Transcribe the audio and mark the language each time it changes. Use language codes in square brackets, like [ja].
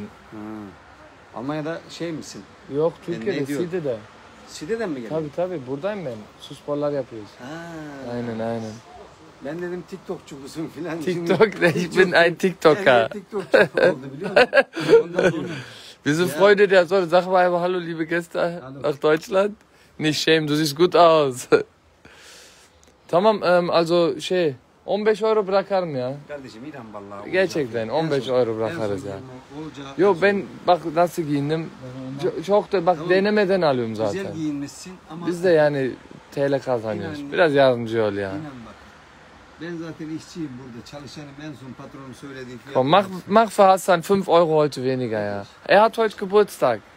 [tr] Ha. Almanya'da şey misin? Yok, Türkiye'de, Side'de. Side'den mi geldin? Tabii, buradayım ben. Su sporlar yapıyoruz. Ha. Aynen. Ben dedim TikTokçu musun filan. TikTok ne? Ben TikTok'a. Ben TikTokçu oldu, biliyor musun? Bizim [de] Freunde der Sonne. Sag mal einfach hallo liebe Gäste nach Deutschland. Nicht schämen, du siehst gut aus. [tr] Tamam, also şey... 15 Euro bırakarım ya. Kardeşim inan vallahi. Gerçekten 15 Euro bırakarız ya. Yo ben bak nasıl giyindim. Çok da bak denemeden alıyorum zaten. Güzel giyinmişsin ama. Biz de yani TL kazanıyoruz. Biraz yardımcı ol ya. İnan bak. Ben zaten işçiyim burada. Çalışanım en son patronum söyledi. [de] Komm, mach für Hasan 5 Euro heute weniger ya. Er hat heute Geburtstag.